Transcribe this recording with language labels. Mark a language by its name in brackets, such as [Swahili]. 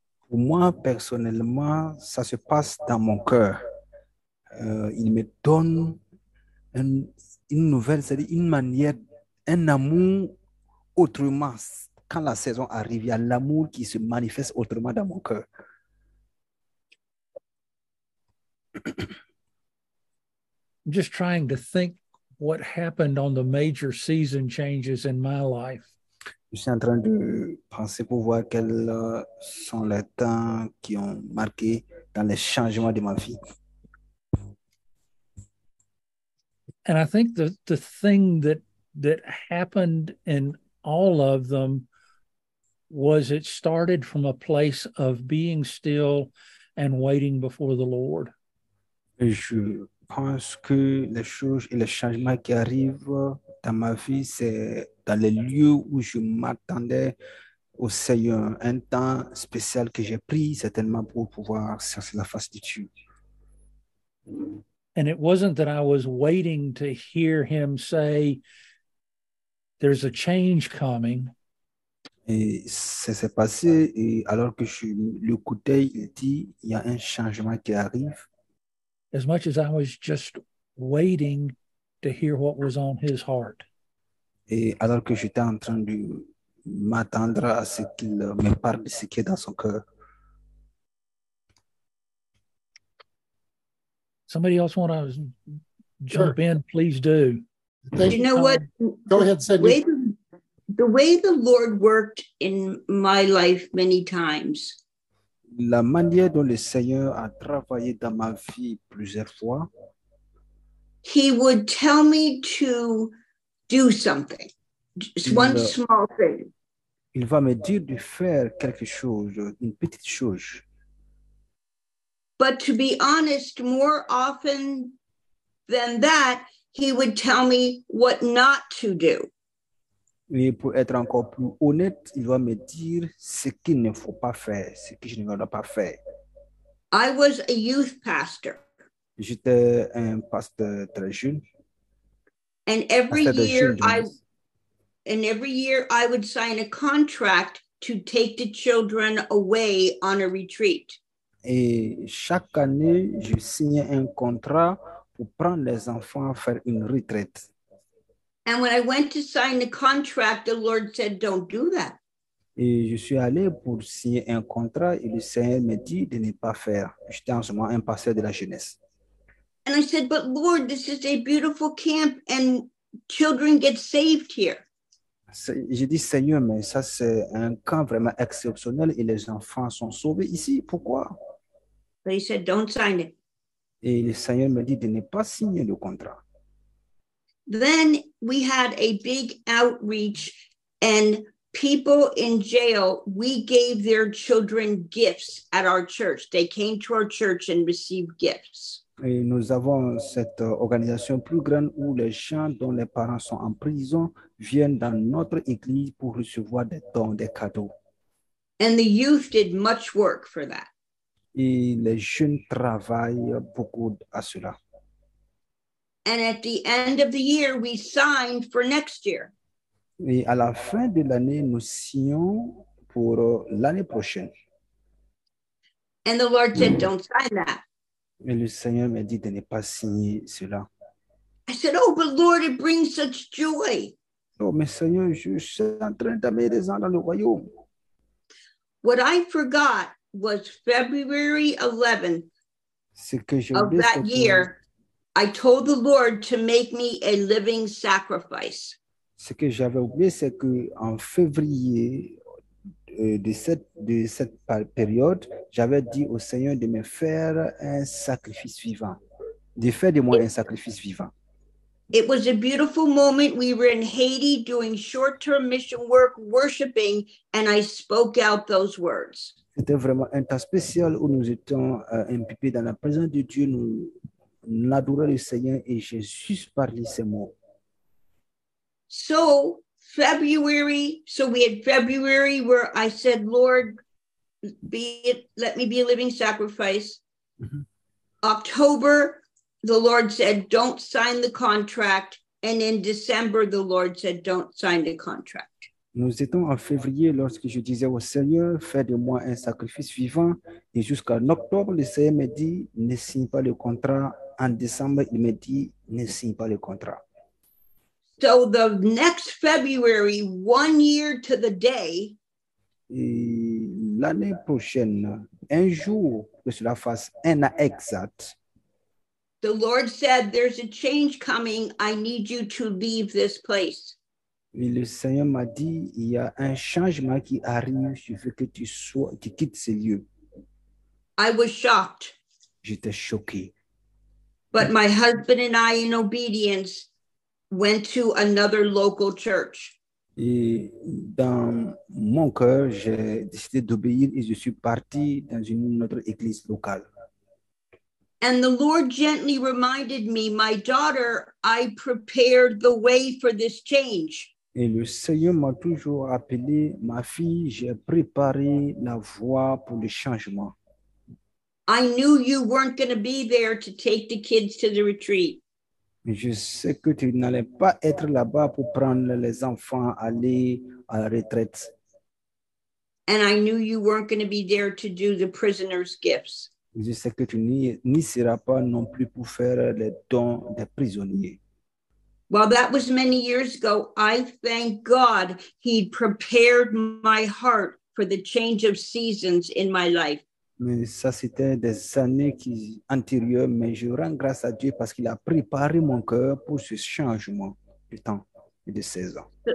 [French] Pour moi, personnellement, ça se passe dans mon cœur. il me donne une nouvelle, c'est-à-dire une manière, un amour autrement. Quand la saison arrive, il y a l'amour qui se manifeste autrement dans mon cœur. [English] I'm just trying to think what happened on the major season changes in my life. [French] Je suis en train de penser pour voir quels sont les temps qui ont marqué dans les changements de ma vie. [English] And I think the thing that happened in all of them was it started from a place of being still and waiting before the Lord. [French] Je pense que les choses et les changements qui arrivent dans ma vie, c'est dans les lieux où je m'attendais au Seigneur, un temps spécial que j'ai pris certainement pour pouvoir chercher la face de Dieu. [English] And it wasn't that I was waiting to hear him say, there's a change coming. [French] Et ça s'est passé, et alors que je l'écoutais, il dit, il y a un changement qui arrive. [English] As much as I was just waiting to hear what was on his heart. [French] Et alors que j'étais en train de m'attendre à ce qu'il me parle de ce qui est dans son cœur. [English] Somebody else want to jump sure. in, please do. You know what? Go ahead, Sydney. The way the Lord worked in my life many times. [French] La manière dont le Seigneur a travaillé dans ma vie plusieurs fois. [English] He would tell me to do something, one small thing. [French] Il va me dire de faire quelque chose, une petite chose. [English] But to be honest, more often than that, he would tell me what not to do. [French] Et pour être encore plus honnête, il va me dire ce qu'il ne faut pas faire, ce que je ne dois pas faire. [English] I was a youth pastor. [French] J'étais un pasteur très jeune. [English] And every pasteur year I would sign a contract to take the children away on a retreat. [French] Et chaque année, je signais un contrat pour prendre les enfants à faire une retraite. [English] And when I went to sign the contract, the Lord said, don't do that. [French] Et je suis allé pour signer un contrat et le Seigneur me dit de ne pas faire. J'étais en ce moment un pasteur de la jeunesse. [English] And I said, but Lord, this is a beautiful camp and children get saved here. [French] J'ai dit, Seigneur, mais ça c'est un camp vraiment exceptionnel et les enfants sont sauvés ici. Pourquoi? [English] But he said, don't sign it. [French] Et le Seigneur me dit de ne pas signer le contrat. [English] Then we had a big outreach and people in jail, we gave their children gifts at our church. They came to our church and received gifts. [French] Et nous avons cette organisation plus grande où les gens dont les parents sont en prison viennent dans notre église pour recevoir des dons, des cadeaux. [English] And the youth did much work for that. [French] Et les jeunes travaillent beaucoup à cela. [English] And at the end of the year, we signed for next year. [French] Et à la fin de l'année, nous signons pour l'année prochaine. [English] And the Lord said, don't sign that. [French] Et le Seigneur m'a dit de ne pas signer cela. [English] I said, oh, but Lord, it brings such joy. [French] Oh, mais Seigneur, je suis en train d'amener des gens dans le royaume. [English] What I forgot was February 11th [French] ce que j'ai [English] of [French] oublié, [English] that year. I told the Lord to make me a living sacrifice. [French] Ce que j'avais oublié, c'est que en février de cette période, j'avais dit au Seigneur de me faire un sacrifice vivant, de faire de moi un sacrifice vivant. [English] It was a beautiful moment. We were in Haiti doing short-term mission work, worshiping, and I spoke out those words. [French] C'était vraiment un temps spécial où nous étions impliqués dans la présence de Dieu. Nous l'adorer le Seigneur et Jésus parle ces mots. [English] So we had February where I said, Lord, let me be a living sacrifice. Mm-hmm. October, the Lord said, don't sign the contract. And in December, the Lord said, don't sign the contract. [French] Nous étions en février lorsque je disais au Seigneur, fais de moi un sacrifice vivant. Et jusqu'en octobre, le Seigneur m'a dit, ne signe pas le contrat. en décembre, il me dit, ne signe pas le contrat. [English] So the next February, 1 year to the day. [French] L'année prochaine, un jour que cela fasse un an exact. [English] The Lord said, there's a change coming. I need you to leave this place. [French] Mais le Seigneur m'a dit, il y a un changement qui arrive, je veux que tu sois, tu quittes ce lieu. [English] I was shocked. [French] J'étais choqué. [English] But my husband and I, in obedience, went to another local church. [French] Et dans mon cœur, j'ai décidé d'obéir et je suis parti dans une autre église locale. [English] And the Lord gently reminded me, my daughter, I prepared the way for this change. [French] Et le Seigneur m'a toujours appelé, ma fille, j'ai préparé la voie pour le changement. [English] I knew you weren't going to be there to take the kids to the retreat. [French] Je sais que tu n'allais pas être là-bas pour prendre les enfants, aller à la retraite. [English] And I knew you weren't going to be there to do the prisoners' gifts. [French] Je sais que tu n'y seras pas non plus pour faire les dons des prisonniers. [English] Well, that was many years ago. I thank God he prepared my heart for the change of seasons in my life. [French] Mais ça, c'était des années antérieures, mais je rends grâce à Dieu parce qu'il a préparé mon cœur pour ce changement de temps et de saisons.